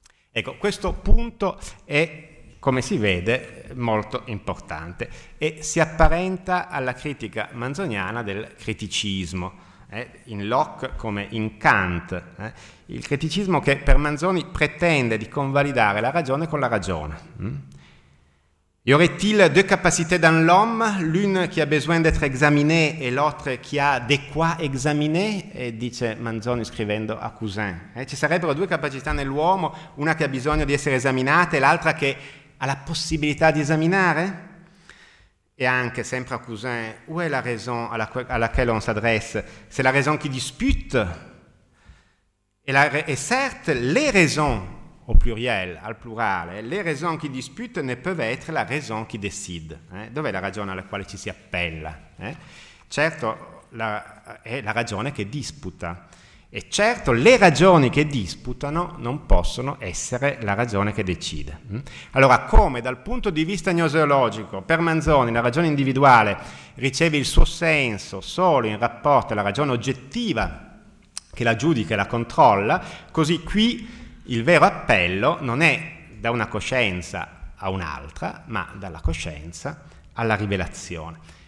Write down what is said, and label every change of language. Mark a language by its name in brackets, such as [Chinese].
[Italian] Ecco, questo punto è, come si vede, molto importante e si apparenta alla critica manzoniana del criticismo, in Locke come in Kant, il criticismo che per Manzoni pretende di convalidare la ragione con la ragione. [French] Y aurait-il deux capacités dans l'homme, l'une qui a besoin d'être examinée et l'autre qui a de quoi examiner? [Italian] E dice Manzoni scrivendo a Cousin. Ci sarebbero due capacità nell'uomo, una che ha bisogno di essere esaminata e l'altra che ha la possibilità di esaminare? E anche, sempre a [French] Cousin, où est la raison à laquelle on s'adresse? C'est la raison qui dispute? Et certes, les raisons au pluriel, [Italian] al plurale, [French] le raisons qui disputent ne peuvent être la raison qui décide. [Italian] Dov'è la ragione alla quale ci si appella? Certo, è la ragione che disputa. E certo, le ragioni che disputano non possono essere la ragione che decide. Allora, come dal punto di vista gnoseologico, per Manzoni, la ragione individuale riceve il suo senso solo in rapporto alla ragione oggettiva che la giudica e la controlla, così qui il vero appello non è da una coscienza a un'altra, ma dalla coscienza alla rivelazione.